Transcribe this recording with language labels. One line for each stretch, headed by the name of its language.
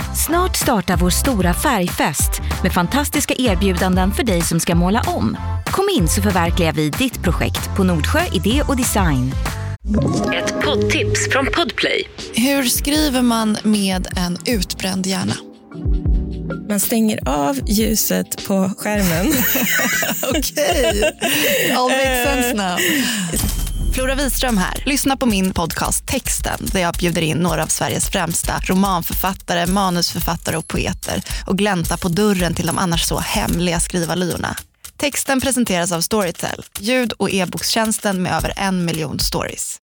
Swedish: Snart startar vår stora färgfest med fantastiska erbjudanden för dig som ska måla om. Kom in så förverkligar vi ditt projekt på Nordsjö Idé och Design. Ett poddtips från Podplay. Hur skriver man med en utbränd hjärna? Man stänger av ljuset på skärmen.
English: Okej, all makes sense now.
Swedish: Flora Wiström här. Lyssna på min podcast Texten, där jag bjuder in några av Sveriges främsta romanförfattare, manusförfattare och poeter och gläntar på dörren till de annars så hemliga skrivarlyorna. Texten presenteras av Storytel, ljud- och e-bokstjänsten med över 1 miljon stories.